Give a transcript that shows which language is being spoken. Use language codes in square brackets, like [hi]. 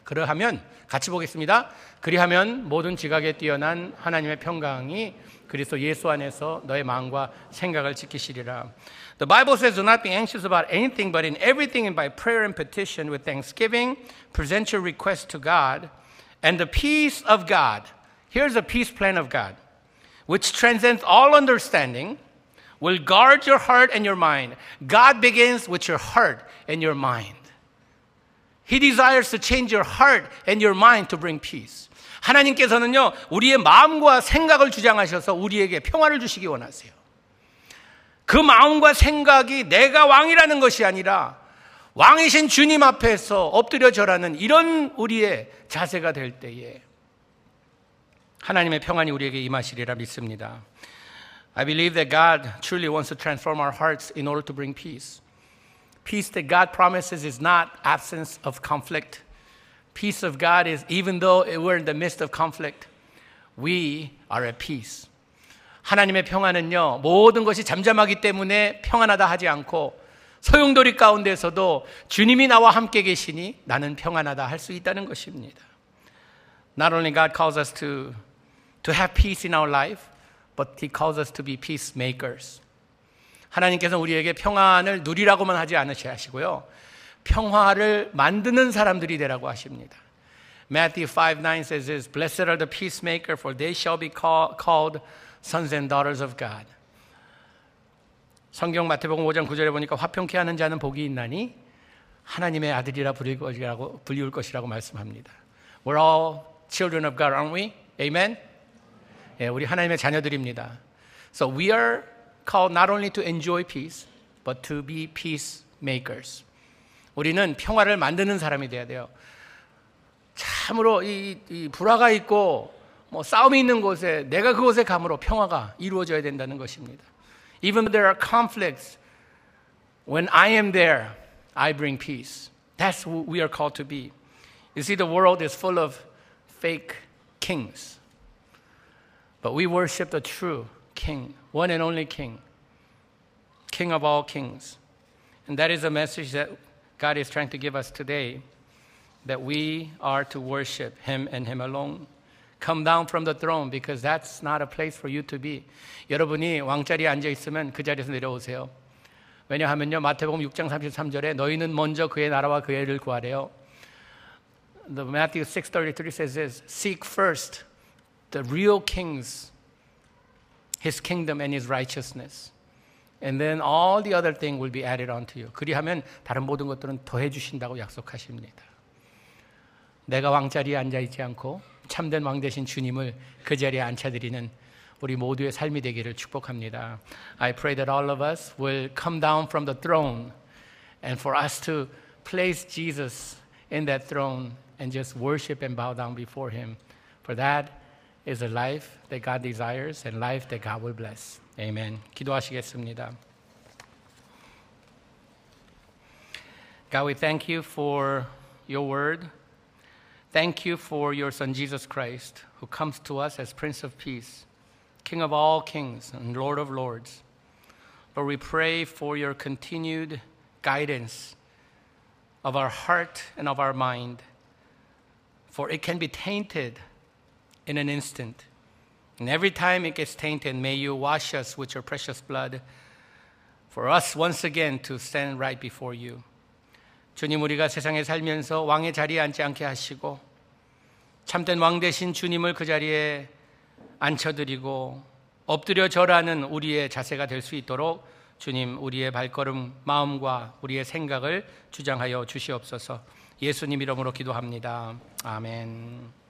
[ko] 그러하면 같이 보겠습니다. 그리하면 모든 지각에 뛰어난 하나님의 평강이 그리스도 예수 안에서 너의 마음과 생각을 지키시리라. [en] The Bible says, "Do not be anxious about anything, but in everything, and by prayer and petition with thanksgiving, present your requests to God. And the peace of God, here's a peace plan of God, which transcends all understanding." Will guard your heart and your mind. God begins with your heart and your mind. He desires to change your heart and your mind to bring peace. [ko] 하나님께서는요, 우리의 마음과 생각을 주장하셔서 우리에게 평화를 주시기 원하세요. 그 마음과 생각이 내가 왕이라는 것이 아니라 왕이신 주님 앞에서 엎드려 절하는 이런 우리의 자세가 될 때에 하나님의 평안이 우리에게 임하시리라 믿습니다. [en] I believe that God truly wants to transform our hearts in order to bring peace. Peace that God promises is not absence of conflict. Peace of God is even though we're in the midst of conflict, we are at peace. [ko] 하나님의 평안은요, 모든 것이 잠잠하기 때문에 평안하다 하지 않고 소용돌이 가운데서도 주님이 나와 함께 계시니 나는 평안하다 할 수 있다는 것입니다. [en] Not only God calls us to have peace in our life, but he calls us to be peacemakers. [ko] 하나님께서 우리에게 평안을 누리라고만 하지 않으시고요. 평화를 만드는 사람들이 되라고 하십니다. [en] Matthew 5:9 says this, "Blessed are the peacemakers, for they shall be called sons and daughters of God." [ko] 성경 마태복음 5장 9절에 보니까 화평케 하는 자는 복이 있나니 하나님의 아들이라 불리울 것이라고 말씀합니다. [en] We're all children of God, aren't we? Amen. [ko] 예, 우리 하나님의 자녀들입니다. [en] So we are called not only to enjoy peace, but to be peacemakers. [ko] 우리는 평화를 만드는 사람이 돼야 돼요. 참으로 이 불화가 있고 뭐 싸움이 있는 곳에 내가 그곳에 가므로 평화가 이루어져야 된다는 것입니다. [en] Even though there are conflicts, when I am there, I bring peace. That's what we are called to be. You see, the world is full of fake kings. But we worship the true King, one and only King, King of all kings. And that is a message that God is trying to give us today, that we are to worship Him and Him alone. Come down from the throne, because that's not a place for you to be. [ko] 여러분이 왕자리에 앉아 있으면 그 자리에서 내려오세요. 왜냐하면요, 마태복음 6장 33절에 너희는 먼저 그의 나라와 그의 의를 구하래요. [en] The Matthew 6:33 says this, "Seek first the real kings, his kingdom and his righteousness. And then all the other things will be added onto you." [ko] 그리하면 다른 모든 것들은 더해 주신다고 약속하십니다. 내가 왕자리에 앉아있지 않고 참된 왕 되신 주님을 그 자리에 앉혀드리는 우리 모두의 삶이 되기를 축복합니다. [en] I pray that all of us will come down from the throne and for us to place Jesus in that throne and just worship and bow down before him. For that is the life that God desires and life that God will bless. [ko] Amen. 기도하시겠습니다. [en] God, we thank you for your word. Thank you for your son Jesus Christ, who comes to us as Prince of Peace, King of all kings and Lord of lords. Lord, we pray for your continued guidance of our heart and of our mind, for it can be tainted in an instant. And every time it gets tainted, may you wash us with your precious blood for us once again to stand right before you. [ko] 주님, 우리가 세상에 살면서 왕의 자리에 앉지 않게 하시고 참된 왕 되신 주님을 그 자리에 앉혀드리고 엎드려 절하는 우리의 자세가 될 수 있도록 주님 우리의 발걸음, 마음과 우리의 생각을 주장하여 주시옵소서. 예수님 이름으로 기도합니다. 아멘.